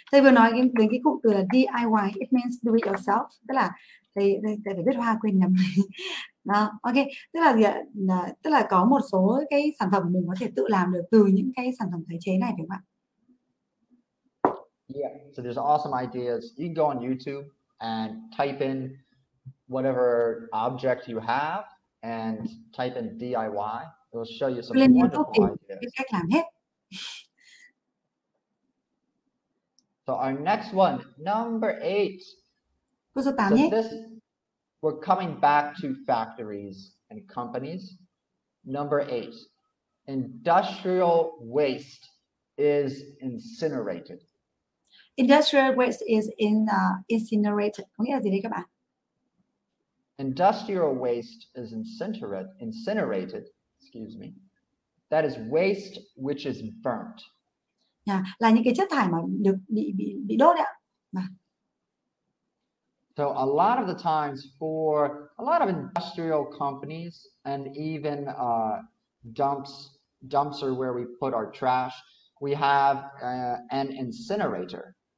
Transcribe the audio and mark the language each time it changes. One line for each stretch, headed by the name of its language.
Vietnamese: Thầy vừa nói đến cái cụm từ là DIY,
English: it means do it yourself,
Vietnamese: tức là thầy phải biết hoa quên nhầm. Đó, ok, tức là có một số cái sản phẩm mình có thể tự làm được từ những cái sản phẩm tái chế này, đúng không ạ?
English: Yeah, so there's awesome ideas. You can go on YouTube and type in whatever object you have and type in DIY, it will show you some
Vietnamese: Lên
English: wonderful YouTube ideas.
Vietnamese: Cách làm hết.
English: So our next one, number 8.
Vietnamese: Câu số 8
English: so
Vietnamese: nhé.
English: This, we're coming back to factories and companies. Number 8, industrial waste is incinerated. Industrial waste is incinerated.
Vietnamese: Có nghĩa là gì đấy các bạn?
English: Industrial waste is incinerated, excuse me. That is waste which is burnt.
Vietnamese: Yeah, là những cái chất thải mà được bị đốt đấy ạ.
English: So a lot of the times for a lot of industrial companies and even dumps are where we put our trash, we have an incinerator.